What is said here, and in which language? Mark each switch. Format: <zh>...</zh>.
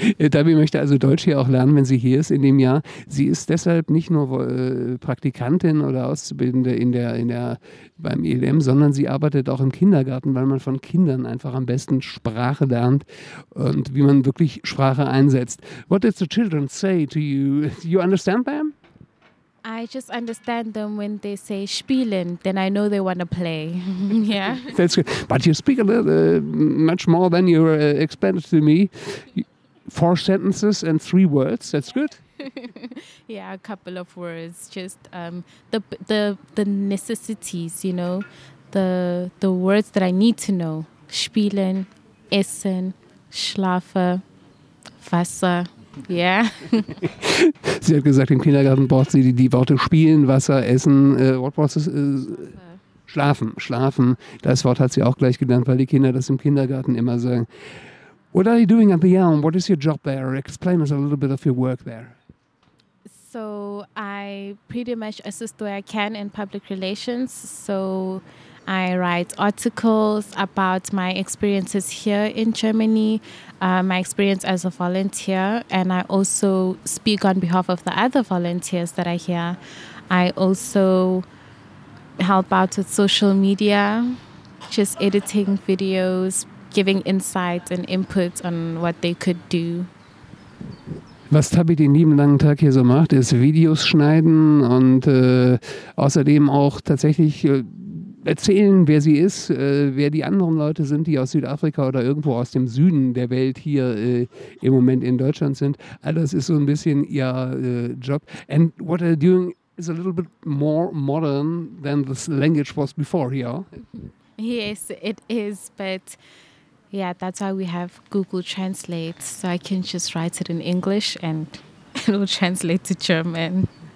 <de>Tabi möchte also Deutsch hier auch lernen, wenn sie hier ist in dem Jahr. Sie ist deshalb nicht nur Praktikantin oder Auszubildende beim ELM, sondern sie arbeitet auch im Kindergarten, weil man von Kindern einfach am besten Sprache lernt und wie man wirklich Sprache einsetzt.</de> <en>What did the children say to you? Do you understand them? I just understand them when they say spielen, then I know they want to play. Yeah. That's good. But you speak a little much more than you explained to me. 4 sentences and 3 words. That's good. Yeah, a couple of words. Just the necessities, you know, the words that I need to know.</en> <de>Spielen, essen, schlafe, Wasser. Yeah. Sie hat gesagt, im Kindergarten braucht sie die Worte spielen, Wasser, essen, schlafen. Schlafen, das Wort hat sie auch gleich gelernt, weil die Kinder das im Kindergarten immer sagen. What are you doing at the ELM? What is your job there? Explain us a little bit of your work there. So I pretty much assist where I can in public relations. So I write articles about my experiences here in Germany, my experience as a volunteer, and I also speak on behalf of the other volunteers that are here. I also help out with social media, just editing videos, giving insights and input on what they could do. Was Tabi den lieben langen Tag hier so macht, ist Videos schneiden und außerdem auch tatsächlich erzählen, wer sie ist, wer die anderen Leute sind, die aus Südafrika oder irgendwo aus dem Süden der Welt hier im Moment in Deutschland sind. All das ist so ein bisschen ihr Job.</de> <en>And what they're doing is a little bit more modern than the language was before here. Yes, it is, but yeah, that's why we have Google Translate, so I can just write it in English and it will translate to German.</en>